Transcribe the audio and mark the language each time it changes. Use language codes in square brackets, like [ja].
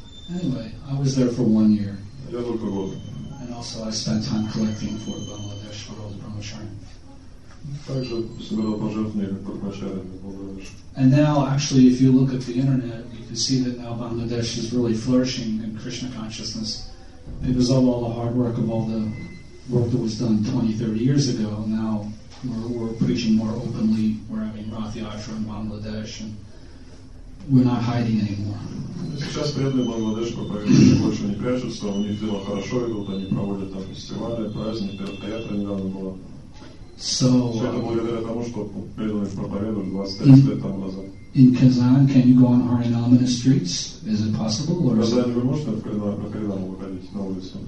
[en] Anyway, I was there for 1 year. [ru] Я был по году. [en] And also I spent time collecting for Bangladesh for all the Brahmacharya. [ru] Также собирал пожертвования по Брахмачарьям в Бангладеш. [en] And now, actually, if you look at the internet, you can see that now Bangladesh is really flourishing in Krishna consciousness because of all the hard work of all the work that was done 20, 30 years ago. Now we're preaching more openly. We're having Rath Yatra in Bangladesh and we're not hiding anymore. [ru] Сейчас преданные Бангладеш проповедники больше не прячутся, у них дела хорошо идут, они проводят там фестивали, праздники, театры недавно было. [en] So, [ru] все это благодаря тому, что преданные проповедовали 20-30 лет там назад. [en] In Kazan, can you go on Harinam in the streets? Is it possible? Or [ru] Казани, вы можете в Казани по Харинаму выходить на улицу?